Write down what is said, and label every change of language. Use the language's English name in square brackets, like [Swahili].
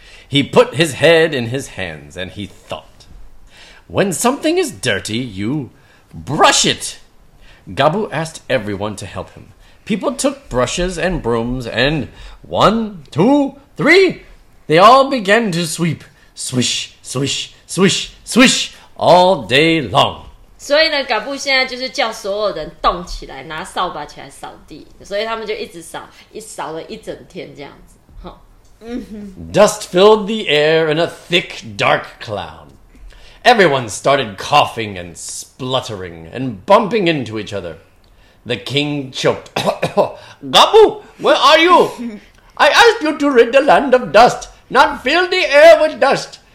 [English] He put his head in his hands and he thought. When something is dirty, you brush it. Gabu asked everyone to help him. People took brushes and brooms and 1, 2, 3, they all began to sweep, swish, swish, swish, swish, all day long. [Chinese] 所以呢，嘎布现在就是叫所有人动起来，拿扫把起来扫地，所以他们就一直扫，一扫了一整天这样子。 [English] Dust filled the air in a thick, dark cloud. Everyone started coughing and spluttering and bumping into each other. The king choked. Gabu, where are you? I asked you to rid the land of dust, not fill the air with dust.